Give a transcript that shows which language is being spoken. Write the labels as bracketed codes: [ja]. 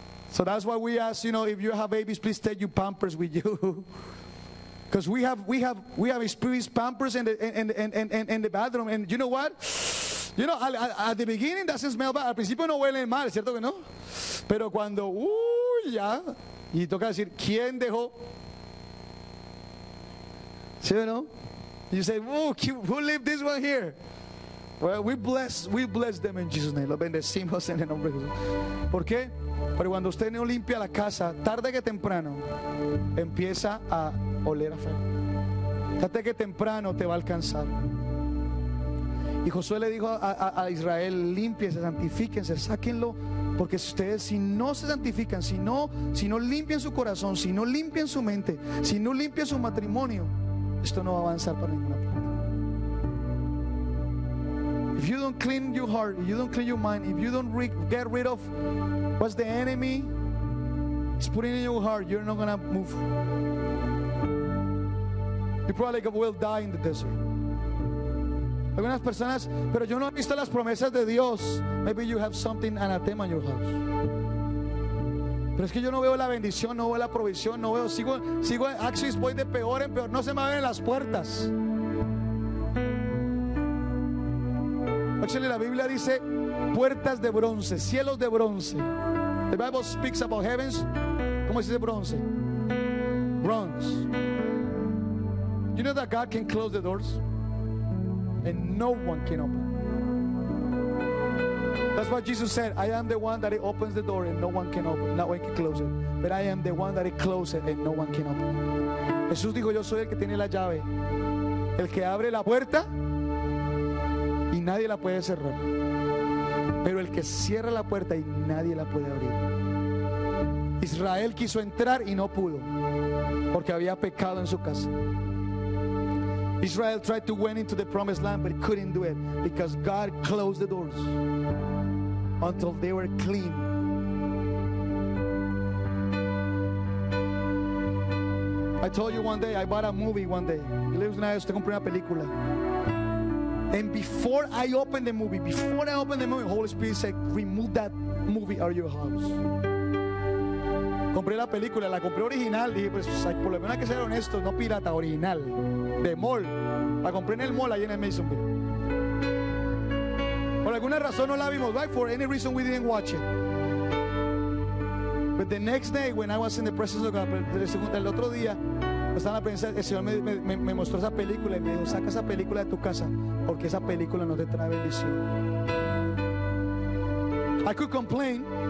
[en] So that's why we ask, you know, if you have babies, please take your pampers with you. Because we have experienced pampers in the bathroom. And you know what? You know, at the beginning doesn't smell bad. [es] Al principio no huele mal, ¿cierto que no? Pero cuando, ya. Y toca decir: ¿quién dejó? ¿Sí o no? [en] You say: who left this one here? Well, we bless them in Jesus' name. [es] Los bendecimos en el nombre de Jesús. ¿Por qué? Porque cuando usted no limpia la casa, tarde que temprano, empieza a oler a feo. Tarde que temprano te va a alcanzar. Y Josué le dijo a Israel: límpiense, santifíquense, sáquenlo. Porque si ustedes, si no se santifican, si no limpian su corazón, si no limpian su mente, si no limpian su matrimonio, esto no va a avanzar para ninguna parte. [en] If you don't clean your heart, if you don't clean your mind, if you don't get rid of what the enemy is putting in your heart, you're not gonna move. You probably will die in the desert. [es] Algunas personas, pero yo no he visto las promesas de Dios. [en] Maybe you have something anathema in your house. [es] Pero es que yo no veo la bendición, no veo la provisión, no veo, sigo, actually voy de peor en peor. No se me abren las puertas. Actually, la Biblia dice puertas de bronce, cielos de bronce. [en] The Bible speaks about heavens. [es] ¿Cómo se dice bronce? [en] Bronze. You know that God can close the doors and no one can open. That's what Jesus said. I am the one that it opens the door and no one can open. No one can close it. But I am the one that it closes and no one can open. [es] Jesús dijo, yo soy el que tiene la llave. El que abre la puerta y nadie la puede cerrar. Pero el que cierra la puerta y nadie la puede abrir. Israel quiso entrar y no pudo, porque había pecado en su casa. [en] Israel tried to went into the promised land, but couldn't do it because God closed the doors until they were clean. I told you one day, I bought a movie one day. [es] Usted compró una película. [en] And before I opened the movie, Holy Spirit said, remove that movie out of your house. [es] Compré la película, la compré original. Dije, pues por lo menos hay que ser honesto, no pirata, original. De mall. La compré en el mall, ahí en el Masonville. Por alguna razón no la vimos. [en] Right? For any reason we didn't watch it. But the next day, when I was in the presence of God, [es] el otro día, estaba en la presencia, el Señor me mostró esa película y me dijo, saca esa película de tu casa, porque esa película no te trae bendición. [en] I could complain.